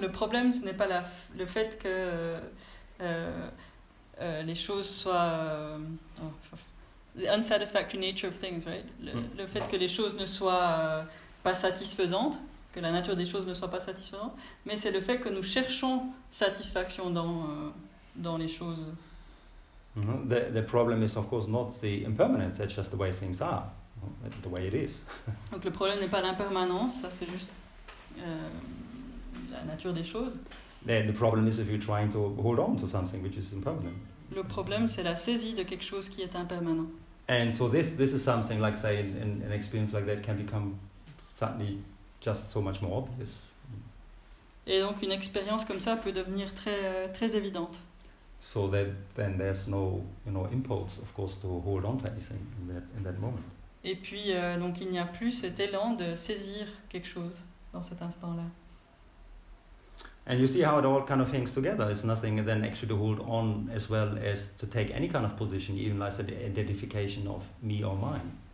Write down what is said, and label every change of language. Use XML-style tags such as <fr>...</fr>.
<fr>Le problème, ce n'est pas le fait que les choses soient.</fr> <en>The unsatisfactory nature of things, right?</en> <fr>Le fait que les choses ne soient pas satisfaisantes, que la nature des choses ne soit pas satisfaisante, mais c'est le fait que nous cherchons satisfaction dans les choses. Mm-hmm.</fr> <en>The problem is, of course, not the impermanence, it's just the way things are, the way it is.</en> <fr>Donc le problème n'est pas l'impermanence, ça c'est juste. La nature des choses.</fr> <en>Then the problem is if you're trying to hold on to something which is impermanent.</en> <fr>Le problème, c'est la saisie de quelque chose qui est impermanent.</fr> <en>And so this is something like say an experience like that can become suddenly just so much more obvious.</en> <fr>Et donc une expérience comme ça peut devenir très très évidente.</fr> <en>So that then there's no, you know, impulse of course to hold on to anything in that moment.</en> <fr>Et puis donc il n'y a plus cet élan de saisir quelque chose. Dans cet instant-là.</fr> <en>And you see how it all kind of hangs together. It's nothing then actually to hold on as well as to take any kind of position, even like the identification of me or mine.</en>